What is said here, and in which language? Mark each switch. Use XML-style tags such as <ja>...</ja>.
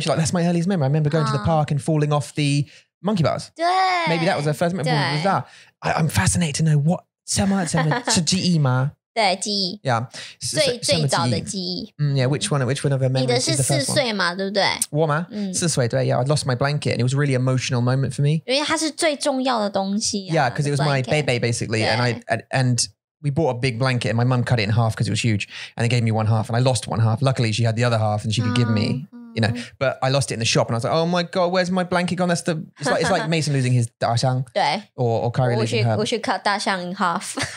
<en>She's like, that's my earliest memory. I remember going to the park and falling off the monkey bars. Maybe that was her first memory. Was that? I'm fascinated to know what some to GE ma.</en> <zh>对,记忆.</zh> <en>Yeah.</en> <zh>最早的记忆.</zh> <en>Yeah, which one of her memories is the first one?</en> <zh>你的是四岁嘛,对不对? 我吗? 四岁, 对,</zh> <en>yeah, I lost my blanket and it was a really emotional moment for me.</en> <zh>因为它是最重要的东西啊,</zh> <en>yeah, because it was blanket. My baby, basically. And we bought a big blanket and my mum cut it in half because it was huge. And they gave me one half and I lost one half. Luckily, she had the other half and she could give me, you know. But I lost it in the shop and I was like, oh my God, where's my blanket gone? That's the, it's like Mason losing his 大象.</en> <zh>对.</zh> <en>Or Kyrie losing her. We should cut 大象 in half.</en>